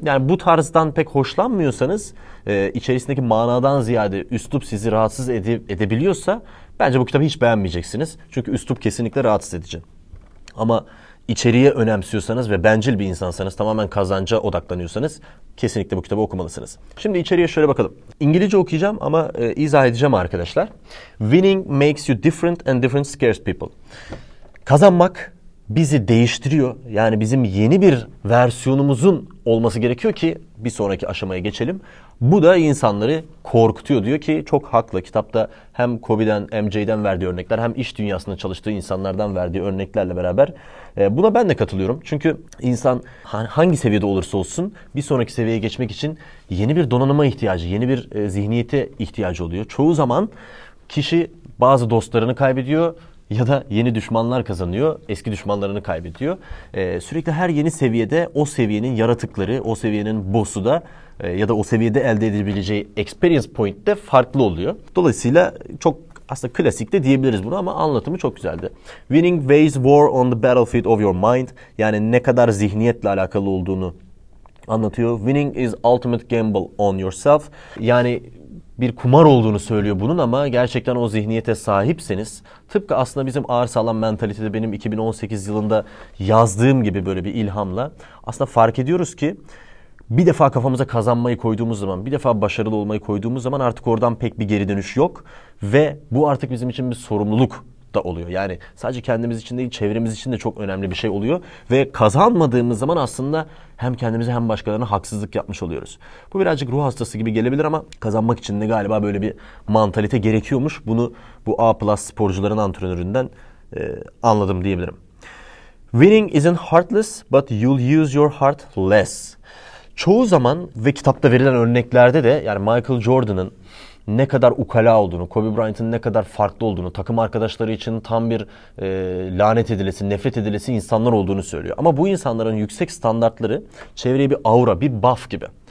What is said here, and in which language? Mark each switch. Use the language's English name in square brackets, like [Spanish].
[Turkish] Yani bu tarzdan pek hoşlanmıyorsanız içerisindeki manadan ziyade üslup sizi rahatsız edebiliyorsa bence bu kitabı hiç beğenmeyeceksiniz. Çünkü üslup kesinlikle rahatsız edici. Ama içeriye önemsiyorsanız ve bencil bir insansanız, tamamen kazanca odaklanıyorsanız kesinlikle bu kitabı okumalısınız. Şimdi içeriye şöyle bakalım. İngilizce okuyacağım ama izah edeceğim arkadaşlar. [English] Winning makes you different and different scares people. [Turkish] Kazanmak bizi değiştiriyor. Yani bizim yeni bir versiyonumuzun olması gerekiyor ki bir sonraki aşamaya geçelim. Bu da insanları korkutuyor. Diyor ki çok haklı. Kitapta hem Kobe'den, MJ'den verdiği örnekler, hem iş dünyasında çalıştığı insanlardan verdiği örneklerle beraber buna ben de katılıyorum. Çünkü insan hangi seviyede olursa olsun bir sonraki seviyeye geçmek için yeni bir donanıma ihtiyacı, yeni bir zihniyete ihtiyacı oluyor. Çoğu zaman kişi bazı dostlarını kaybediyor ya da yeni düşmanlar kazanıyor, eski düşmanlarını kaybediyor. Sürekli her yeni seviyede o seviyenin yaratıkları, o seviyenin boss'u da ya da o seviyede elde edebileceği experience point de farklı oluyor. Dolayısıyla çok aslında klasik de diyebiliriz bunu ama anlatımı çok güzeldi. [English] Winning weighs war on the battlefield of your mind. [Turkish] Yani ne kadar zihniyetle alakalı olduğunu anlatıyor. [English] Winning is ultimate gamble on yourself. [Turkish] Yani bir kumar olduğunu söylüyor bunun ama gerçekten o zihniyete sahipseniz, tıpkı aslında bizim ağır sağlam mentalitede benim 2018 yılında yazdığım gibi böyle bir ilhamla aslında fark ediyoruz ki bir defa kafamıza kazanmayı koyduğumuz zaman, bir defa başarılı olmayı koyduğumuz zaman artık oradan pek bir geri dönüş yok ve bu artık bizim için bir sorumluluk da oluyor. Yani sadece kendimiz için değil, çevremiz için de çok önemli bir şey oluyor ve kazanmadığımız zaman aslında hem kendimize hem başkalarına haksızlık yapmış oluyoruz. Bu birazcık ruh hastası gibi gelebilir ama kazanmak için de galiba böyle bir mantalite gerekiyormuş. Bunu bu A-plus sporcuların antrenöründen anladım diyebilirim. [English] Winning isn't heartless, but you'll use your heart less. [Turkish] Çoğu zaman ve kitapta verilen örneklerde de yani Michael Jordan'ın ne kadar ukala olduğunu, Kobe Bryant'ın ne kadar farklı olduğunu, takım arkadaşları için tam bir lanet edilesi, nefret edilesi insanlar olduğunu söylüyor. Ama bu insanların yüksek standartları çevreye bir aura, bir buff gibi.